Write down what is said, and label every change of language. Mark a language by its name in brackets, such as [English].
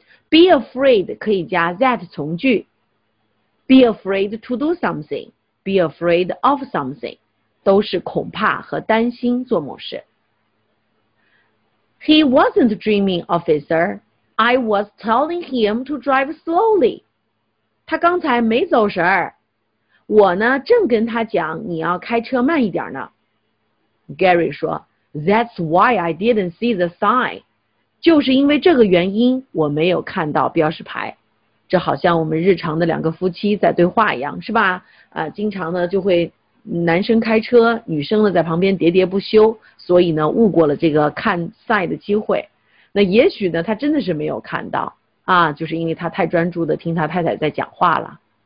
[English] Be afraid 可以加 that 从句。Be afraid to do something, be afraid of something, [Chinese] 都是恐怕和担心做某事。 [English] He wasn't dreaming, officer. I was telling him to drive slowly. [Chinese] 他刚才没走神儿。我呢，正跟他讲你要开车慢一点呢。 Gary 说 [English] That's why I didn't see the sign. [Chinese] 就是因为这个原因我没有看到标识牌。这好像我们日常的两个夫妻在对话一样，是吧？经常呢就会男生开车，女生呢在旁边喋喋不休，所以呢误过了这个看赛的机会。那也许呢他真的是没有看到啊，就是因为他太专注的听他太太在讲话了。